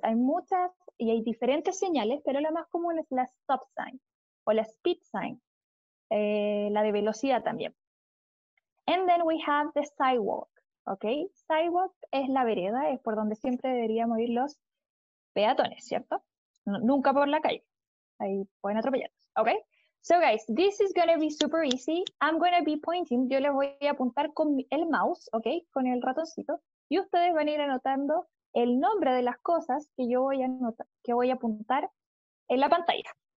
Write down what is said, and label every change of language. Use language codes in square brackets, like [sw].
[es] Hay muchas y hay diferentes señales, pero la más común es la stop sign o la speed sign, la de velocidad también. [en] And then we have the sidewalk, okay? [es] Sidewalk es la vereda, es por donde siempre deberíamos ir los peatones, ¿cierto? Nunca por la calle. Ahí pueden atropellarnos, okay? [en] So guys, this is going to be super easy. I'm going to be pointing. [es] Yo les voy a apuntar con el mouse, okay? Con el ratoncito. Y ustedes van a ir anotando el nombre de las cosas que yo voy a anotar, que voy a apuntar en la pantalla.